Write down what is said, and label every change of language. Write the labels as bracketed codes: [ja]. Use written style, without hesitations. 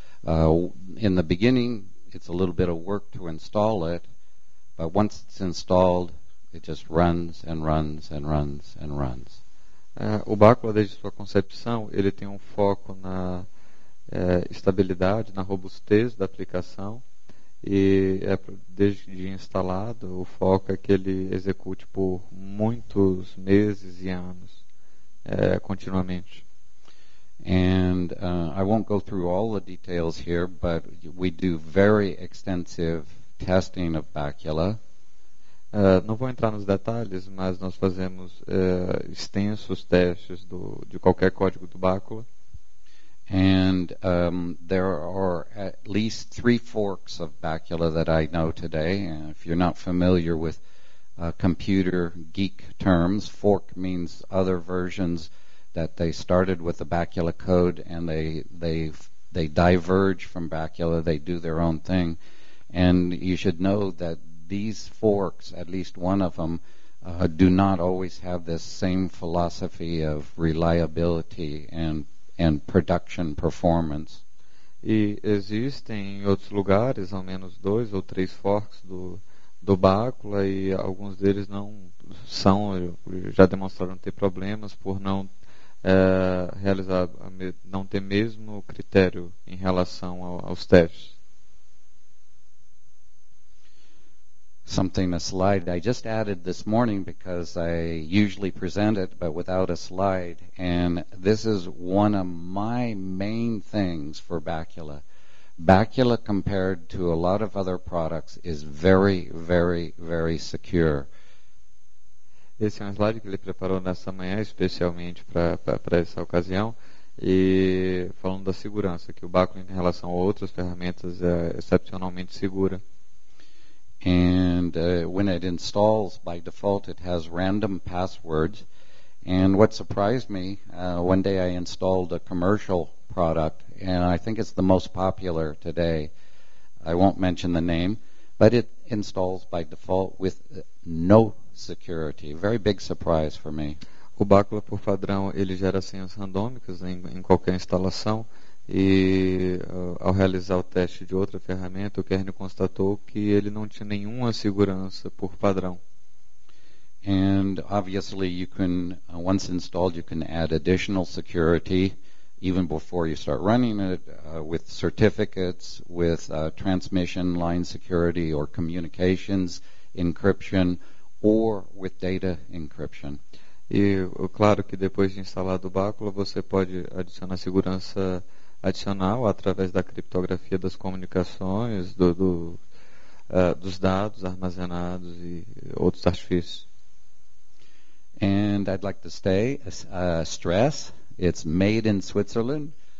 [en] In the beginning, it's a little bit of work to install it, but once it's installed, it just runs and runs and runs and runs. [pt] O Bacula, desde sua concepção, ele tem foco na estabilidade, na robustez da aplicação. E desde instalado, o foco é que ele execute por muitos meses e anos, continuamente. [en] And I won't go through all the details here, but we do very extensive testing of Bacula. [pt] Não vou entrar nos detalhes, mas nós fazemos extensos testes de qualquer código do Bacula. [en] And there are at least three forks of Bacula that I know today. And if you're not familiar with computer geek terms, fork means other versions that they started with the Bacula code and they diverge from Bacula, they do their own thing. And you should know that these forks, at least one of them, do not always have this same philosophy of reliability and production performance. [pt] E existem em outros lugares ao menos dois ou três forks do Bacula, e alguns deles não são, já demonstraram ter problemas por não realizar, não ter mesmo critério em relação aos testes. [en] Something a slide I just added this morning, because I usually present it but without a slide, and this is one of my main things for Bacula. Bacula, compared to a lot of other products, is very, very, very secure. [pt] Esse é um slide que ele preparou nessa manhã especialmente para essa ocasião, e falando da segurança, que o Bacula em relação a outras ferramentas é excepcionalmente segura. [en] And when it installs, by default, it has random passwords. And what surprised me, one day I installed a commercial product, and I think it's the most popular today. I won't mention the name, but it installs by default with no security. Very big surprise for me. [pt] O Bacula, por padrão, ele gera senhas randômicas em qualquer instalação. E ao realizar o teste de outra ferramenta, o Kern constatou que ele não tinha nenhuma segurança por padrão. [en] And obviously you can, once installed, you can add additional security even before you start running it, with certificates, with transmission line security or communications encryption, or with data encryption. [pt] E claro que depois de instalado o Bacula, você pode adicionar segurança adicional através da criptografia das comunicações, dos dados armazenados e outros artifícios. [en] And I'd like to stay stress, it's made in Switzerland.